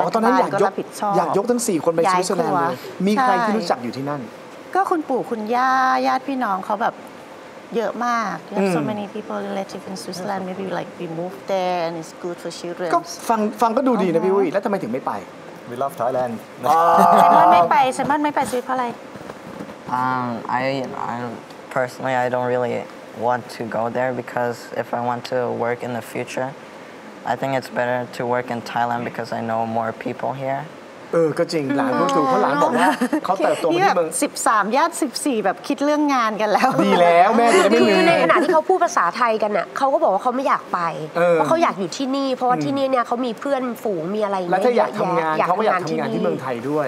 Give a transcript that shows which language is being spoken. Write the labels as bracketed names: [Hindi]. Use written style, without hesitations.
[Thai] ตอนนั้นอยากยกทั้ง4คนไปสวิตเซอร์แลนด์เลยมีใครที่รู้จักอยู่ที่นั่น ก็คุณปู่คุณย่าญาติพี่น้องเขาแบบเยอะมาก [English] you have so many people relative in Switzerland maybe like we move there and it's good for children [Thai] ก็ฟังก็ดูดีนะพี่อุ้ยแล้วทำไมถึงไม่ไป [English] we love Thailand [Thai] ฉันไม่ไปสวิตเพราะอะไร [English] I personally I don't really want to go there because if I want to work in the future I think it's better to work in Thailand because I know more people here [Thai] เออก็จริงหลานรู้สึกเพราะหลานบอกว่าเขาเติบโตมาที่เมือง 13ญาติ14แบบคิดเรื่องงานกันแล้ว ดีแล้วแม่จะไม่มีในขณะที่เขาพูดภาษาไทยกันน่ะเขาก็บอกว่าเขาไม่อยากไปเพราะเขาอยากอยู่ที่นี่เพราะว่าที่นี่เนี่ยเขามีเพื่อนฝูงมีอะไร แล้วถ้าอยากทำงานเขาก็อยากทำงานที่เมืองไทยด้วย